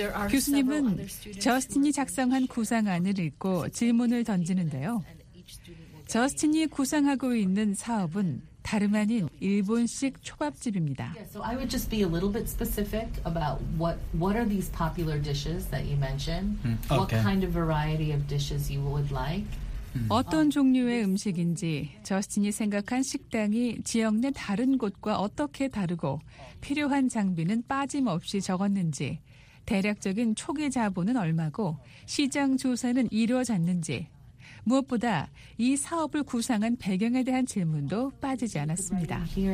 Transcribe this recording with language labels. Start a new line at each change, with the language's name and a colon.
Korean: 교수님은 저스틴이 작성한 구상안을 읽고 질문을 던지는데요. 저스틴이 구상하고 있는 사업은 다름 아닌 일본식 초밥집입니다.
English: So I would just be a little bit specific about what are these popular dishes that you mentioned? Okay. What kind of variety of dishes you would like?
Korean: 어떤 종류의 음식인지 저스틴이 생각한 식당이 지역 내 다른 곳과 어떻게 다르고 필요한 장비는 빠짐없이 적었는지 대략적인 초기 자본은 얼마고 시장 조사는 이루어졌는지 무엇보다 이 사업을 구상한 배경에 대한 질문도 빠지지 않았습니다.